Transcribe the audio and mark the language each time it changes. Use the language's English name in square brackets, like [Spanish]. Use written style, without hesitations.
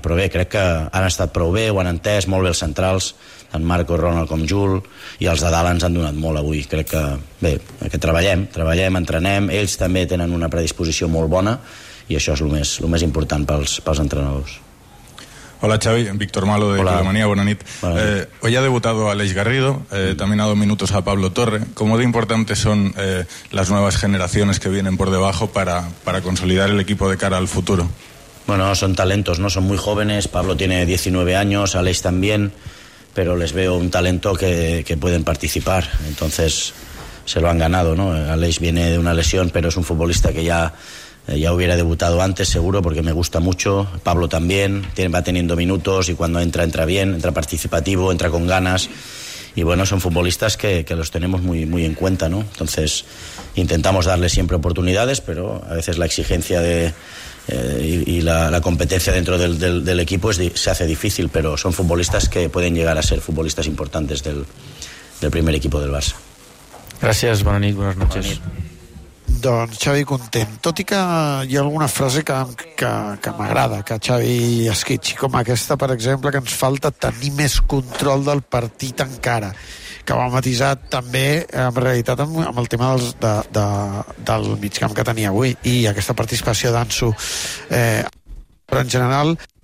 [Catalan] Però bé, crec que han estat prou bé, ho han entès molt bé els centrals, en Marco, Ronald com Jul, i els de dalt ens han donat molt avui. Crec que, bé, que treballem, entrenem. Ells també tenen una predisposició molt bona i això és el més important pels entrenadors. [Spanish] Hola Xavi, Víctor Malo de Quilomanía, buena nit. Hoy ha debutado Aleix Garrido, también ha dado minutos a Pablo Torre. ¿Cómo de importantes son las nuevas generaciones que vienen por debajo para consolidar el equipo de cara al futuro? Bueno, son talentos, ¿no? Son muy jóvenes. Pablo tiene 19 años, Aleix también, pero les veo un talento que pueden participar. Entonces se lo han ganado, ¿no? Aleix viene de una lesión, pero es un futbolista que ya hubiera debutado antes, seguro, porque me gusta mucho. Pablo también va teniendo minutos y cuando entra bien, entra participativo, entra con ganas. Y bueno, son futbolistas que los tenemos muy, muy en cuenta, ¿no? Entonces, intentamos darles siempre oportunidades, pero a veces la exigencia y la competencia dentro del equipo se hace difícil, pero son futbolistas que pueden llegar a ser futbolistas importantes del primer equipo del Barça. Gracias, buena nit, buenas noches. Buenas noches. [Catalan] Doncs Xavi content, tot i que hi ha alguna frase que m'agrada que Xavi esquitxi, com aquesta per exemple, que ens falta tenir més control del partit encara, que ho ha matisat també en realitat amb el tema del migcamp que tenia avui i aquesta participació d'Ansu, però en general